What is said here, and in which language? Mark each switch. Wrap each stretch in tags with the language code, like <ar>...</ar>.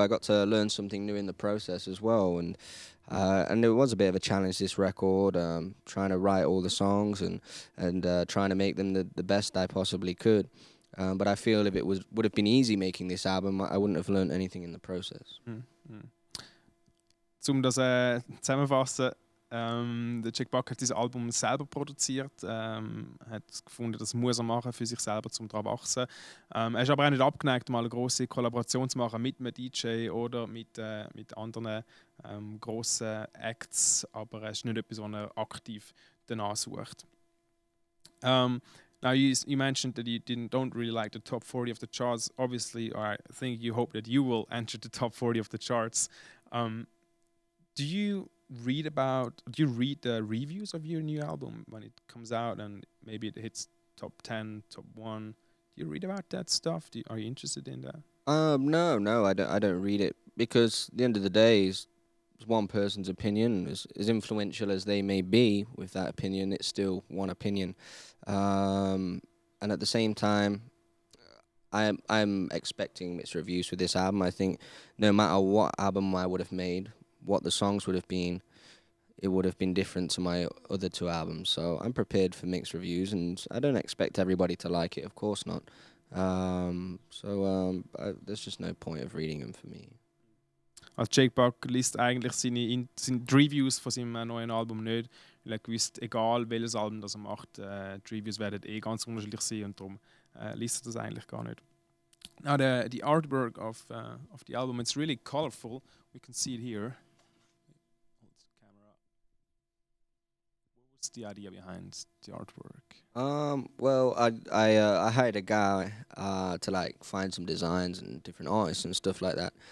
<en>I got to learn something new in the process as well, and it was a bit of a challenge, this record, trying to write all the songs and trying to make them the best I possibly could. But I feel if it would have been easy making this album, I wouldn't have learned anything in the process. Mm-hmm.</en> <de>Zum das zusammenfassen, der Jake Bugg hat dieses Album selber produziert, hat gefunden, das muss er machen für sich selber, um daran zu wachsen. Er ist aber auch nicht abgeneigt, mal eine grosse Kollaboration zu machen mit einem DJ oder mit anderen grossen Acts, aber er ist nicht etwas, was er aktiv danach sucht.</de> <en>Now you mentioned that you don't really like the top 40 of the charts. Obviously, I think you hope that you will enter the top 40 of the charts. Do you read the reviews of your new album when it comes out and maybe it hits top 10, top 1? Do you read about that stuff? Are you interested in that? No, I don't read it, because at the end of the day, it's one person's opinion. As influential as they may be with that opinion, it's still one opinion. And at the same time, I'm expecting mixed reviews for this album. I think no matter what album I would have made, what the songs would have been, it would have been different to my other two albums. So I'm prepared for mixed reviews, and I don't expect everybody to like it, of course not. There's just no point of reading them for me.</en> <de>Also Jake Bugg liest eigentlich seine Reviews von seinem neuen Album nicht, weil er gewusst, egal welches Album das er macht, die Reviews werden eh ganz unterschiedlich sein und darum liest er das eigentlich gar nicht.</de> <en>Now the artwork of the album, it's really colorful. We can see it here. Hold the camera. What was the idea behind the artwork? I hired a guy to like find some designs and different artists and stuff like that.</en>